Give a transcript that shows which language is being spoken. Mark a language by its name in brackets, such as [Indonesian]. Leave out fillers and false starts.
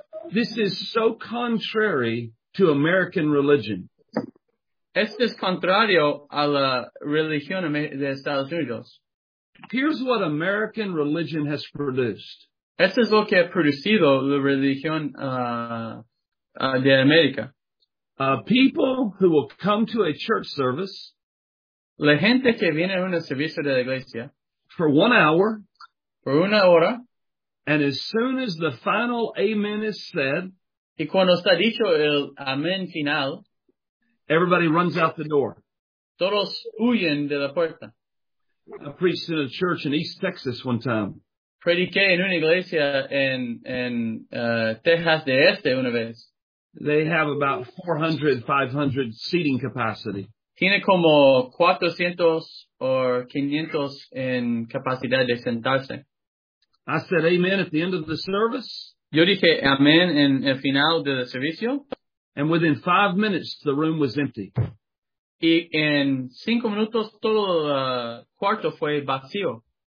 [English] This is so contrary to American religion. [Spanish] Este es contrario a la religión de Estados Unidos. [English] Here's what American religion has produced. [Spanish] Esto es lo que ha producido la religión de América. [English] People who will come to a church service. [Spanish] La gente que viene a un servicio de la iglesia. [English] For 1 hour. [Spanish] Por una hora. [English] And as soon as the final amen is said, [Spanish] y cuando está dicho el amen final, [English] everybody runs out the door. [Spanish] Todos huyen de la puerta. [English] I preached in a church in East Texas one time. [Spanish] Prediqué en una iglesia en Texas de Este una vez. [English] They have about 400, 500 seating capacity. [Spanish] Tiene como 400 o 500 en capacidad de sentarse. [English] I said amen at the end of the service. [Spanish] Yo dije amen en el final del servicio. [English] And within 5 minutes, the room was empty. [Spanish] Y en 5 minutos, todo el cuarto fue vacío.